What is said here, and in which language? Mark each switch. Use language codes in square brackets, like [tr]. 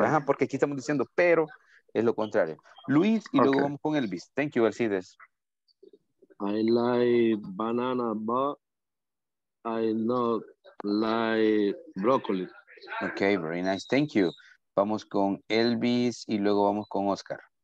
[es] Ajá, porque aquí estamos diciendo pero es lo contrario. Luis y luego vamos con Elvis. [en] Thank you, [es] Alcides. [en] I like banana, but I don't like broccoli. Okay, very nice. Thank you. [es] Vamos con Elvis y luego vamos con Oscar.